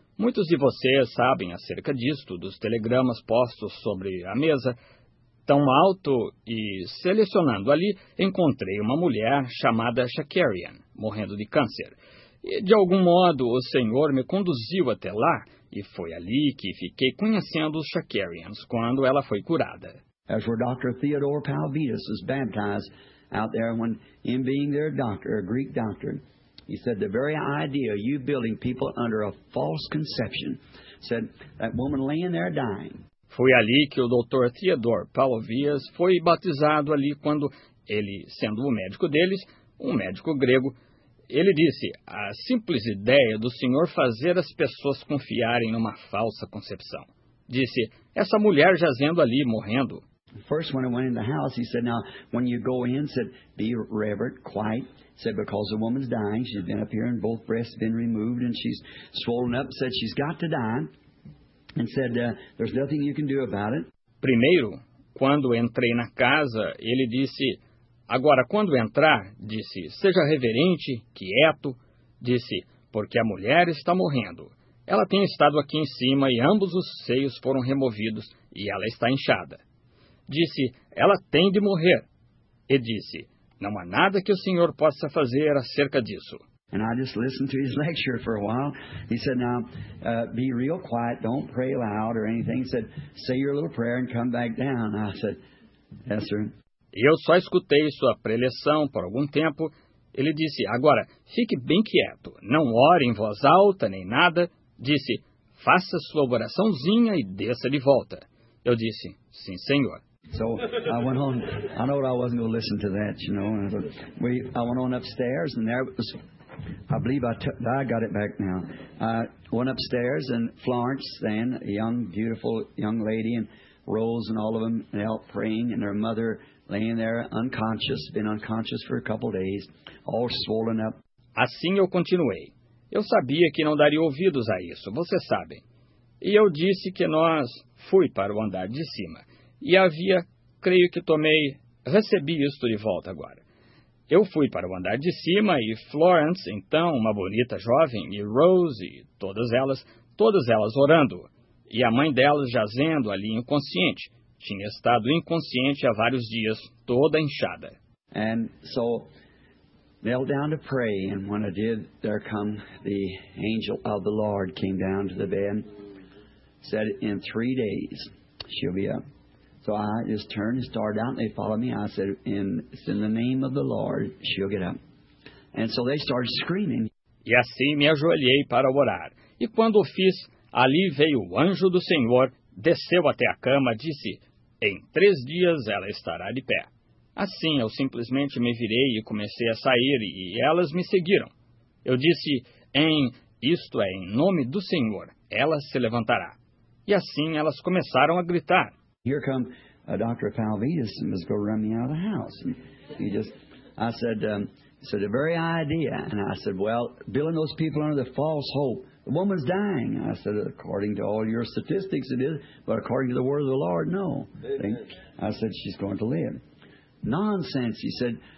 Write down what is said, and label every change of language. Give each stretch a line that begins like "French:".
Portuguese: Muitos de vocês sabem acerca disto, dos telegramas postos sobre a mesa, tão alto, e selecionando ali, encontrei uma mulher chamada Shakarian, morrendo de câncer. E, de algum modo, o Senhor me conduziu até lá, e foi ali que fiquei conhecendo os Shakarians, quando ela foi curada.
English: As where Dr. Theodore Palvitas was baptized out there when him being their doctor, a Greek doctor, he said the very idea of you building people under a false conception, said that woman laying there dying.
Portuguese: Foi ali que o Dr. Theodore Palvitas foi batizado ali quando ele, sendo o médico deles, um médico grego, ele disse, a simples ideia do senhor fazer as pessoas confiarem numa falsa concepção. Disse, essa mulher jazendo ali, morrendo.
English: First when I went in the house, he said, now, when you go in, said, be reverent, quiet. Said, because the woman's dying, she's been up here and both breasts been removed and she's swollen up. Said, she's got to die. And said, there's nothing you can do about it.
Portuguese: Primeiro, quando entrei na casa, ele disse, agora, quando entrar, disse, seja reverente, quieto. Disse, porque a mulher está morrendo. Ela tem estado aqui em cima e ambos os seios foram removidos e ela está inchada. Disse, ela tem de morrer. E disse, não há nada que o senhor possa fazer acerca disso.
English: And I just listened to his lecture for a while. He said, now, be real quiet, don't pray loud or anything. He said, say your little prayer and come back down. I said, yes, sir.
Portuguese: Eu só escutei sua preleção por algum tempo. Ele disse, agora, fique bem quieto, não ore em voz alta nem nada. Disse, faça sua oraçãozinha e desça de volta. Eu disse, sim, senhor.
English: So I went on. I know I wasn't going to listen to that, you know. I went on upstairs, and there was. I believe I got it back now. I went upstairs, and Florence, then a young, beautiful young lady, and Rose, and all of them knelt praying, and their mother laying there unconscious, been unconscious for a couple days, all swollen up.
Portuguese: Assim eu continuei. Eu sabia que não daria ouvidos a isso, vocês sabem. E eu disse que nós fui para o andar de cima. E havia, creio que tomei, recebi isto de volta agora. Eu fui para o andar de cima e Florence, então, uma bonita jovem, e Rose, todas elas orando. E a mãe delas jazendo ali inconsciente. Tinha estado inconsciente há vários dias, toda inchada.
English: And so knelt down to pray, and when I did, there come the angel of the Lord came down to the bed, said, in 3 days, she'll be up. So I just turned and started out, and they followed me. I said, in the name of the Lord, she'll get up. And so they started screaming.
Portuguese: E assim me ajoelhei para orar. E quando o fiz, ali veio o anjo do Senhor, desceu até a cama, disse, em 3 dias ela estará de pé. Assim, eu simplesmente me virei e comecei a sair, e elas me seguiram. Eu disse, em nome do Senhor, ela se levantará. E assim, elas começaram a gritar.
English: Here come Dr. Palvitas and was going to run me out of the house. And he just, I said, said the very idea. And I said, well, billing those people under the false hope. The woman's dying. I said, according to all your statistics it is, but according to the word of the Lord, no. I said, she's going to live. Nonsense, he said,